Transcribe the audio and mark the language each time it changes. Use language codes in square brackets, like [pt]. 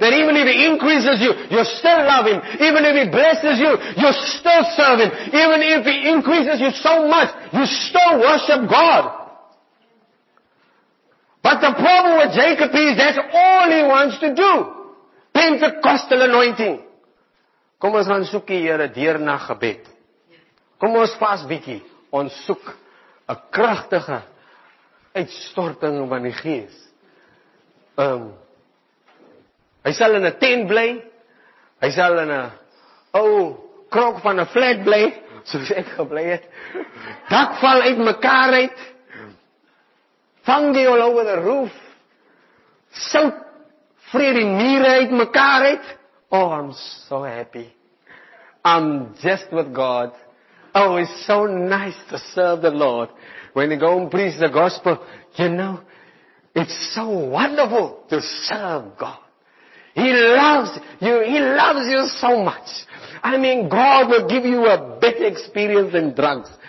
[en] That even if He increases you, you still love Him. Even if He blesses you, you still serve Him. Even if He increases you so much, you still worship God. But the problem with Jacob is that's all he wants to do. Pentecostal anointing. [af] Kom ons gaan soek die Here deur na gebed. Kom ons vas bietjie. Ons soek 'n kragtige uitstorting van die Gees. Hy sal in 'n tent bly. Hy sal in 'n ou krok van 'n flat bly. Soos ek gebly het. Dak val uit mekaar uit. [en] Fungi all over the roof. Sout. [af] Vreer die mure uit mekaar uit. [en] Oh, I'm so happy. I'm just with God. Oh, it's so nice to serve the Lord. When you go and preach the gospel, you know, it's so wonderful to serve God. He loves you. He loves you so much. I mean, God will give you a better experience than drugs.